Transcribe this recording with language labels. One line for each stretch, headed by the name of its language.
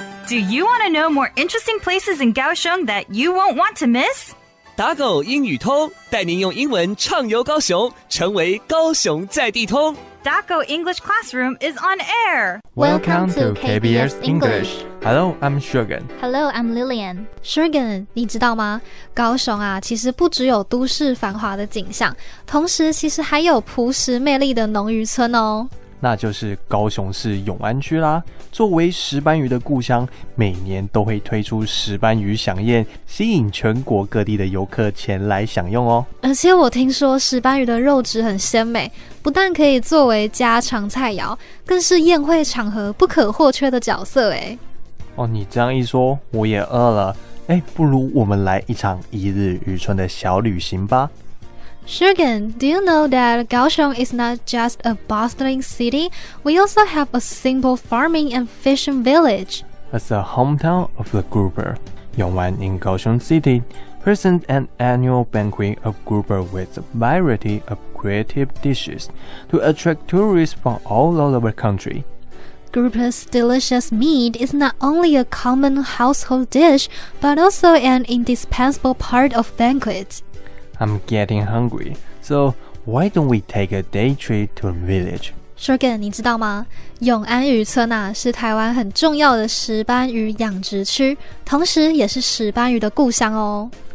English: Do you want to know more interesting places in Kaohsiung that you won't want to miss?
Chinese: 打狗英语通，带您用英文畅游高雄，成为高雄在地通。
English: Daco English Classroom is on air. Welcome to KBS English. Hello, I'm Shogun. Hello, I'm Lillian.
Chinese: Shogun, 你知道吗？高雄啊，其实不只有都市繁华的景象，同时其实还有朴实魅力的农渔村哦。那就是高雄市永安区啦。作为石斑鱼的故乡，每年都会推出石斑鱼飨宴，吸引全国各地的游客前来享用哦。而且我听说石斑鱼的肉质很鲜美，不但可以作为家常菜肴，更是宴会场合不可或缺的角色耶。哦，你这样一说我也饿了，不如我们来一场一日渔村的小旅行吧。
English: Shogun, do you know that Kaohsiung is not just a bustling city? We also have a simple farming and fishing village. As the hometown of the grouper, Yongwan in Kaohsiung City presents an annual banquet of grouper with a variety of creative dishes to attract tourists from all over the country. Grouper's delicious meat is not only a common household dish, but also an indispensable part of banquets. I'm getting hungry, so why don't we take a day trip to a village?
Chinese: Shogun, 你知道吗？永安渔村啊，是台湾很重要的石斑鱼养殖区，同时也是石斑鱼的故乡哦。